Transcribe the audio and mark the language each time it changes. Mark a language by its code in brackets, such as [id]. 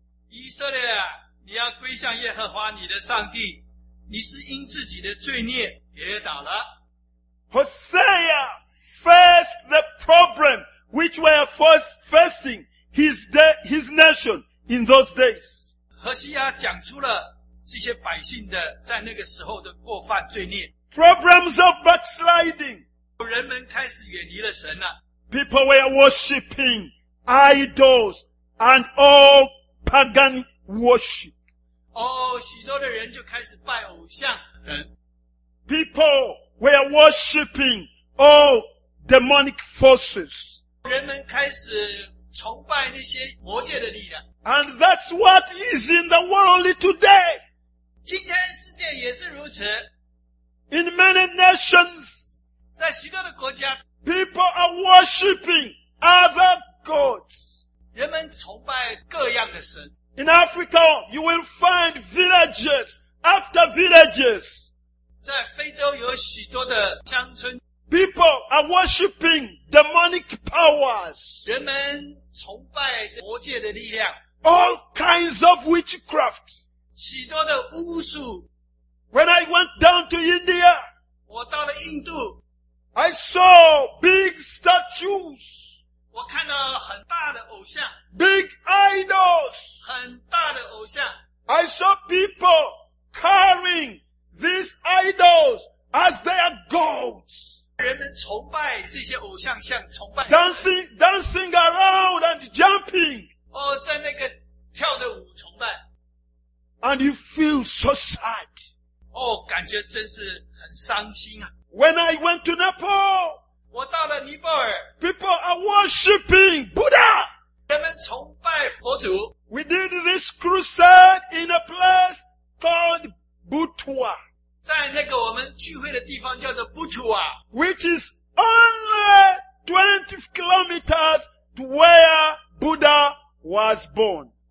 [zh] 以色列啊, 你要归向耶和华你的上帝, 你是因自己的罪孽跌倒了. [en] Hosea faced the problem which were first facing his nation in those days. [zh] 何西阿讲出了这些百姓的在那个时候的过犯罪孽. [en] Problems of backsliding. [zh] 人们开始远离了神了. [en] People were worshipping idols and all pagan worship. [zh] 许多的人就开始拜偶像. [en] People were worshipping all demonic forces. [zh] 人们开始崇拜那些魔界的力量. [en] And that's what is in the world today. [zh] 今天世界也是如此. [en] In many nations, [zh] 在许多的国家, [en] people are worshipping other gods. [zh] 人们崇拜各样的神. [en] In Africa, you will find villages after villages. [zh] 在非洲有许多的乡村, [en] people are worshipping demonic powers. [zh] 人们崇拜魔界的力量. [en] All kinds of witchcraft. [zh] 许多的巫术. [en] When I went down to India, [zh] 我到了印度, [en] I saw big statues. [zh] 我看到很大的偶像, [en] big idols. [zh] 很大的偶像. [en] I saw people carrying these idols as their gods. [zh] 人们崇拜这些偶像像崇拜人, [en] dancing around and jumping. [zh] 在那个跳的舞崇拜. [en] And you feel so sad. [zh] 感觉真是很伤心啊. [en] When I went to Nepal, [zh] 我到了尼泊尔, [en] people are worshipping Buddha. [zh] 人们崇拜佛祖. [en] We did this crusade in a place called Butua. [zh] 在那个我们聚会的地方叫做Butua, [en] which is only 20 kilometers to where Buddha was born.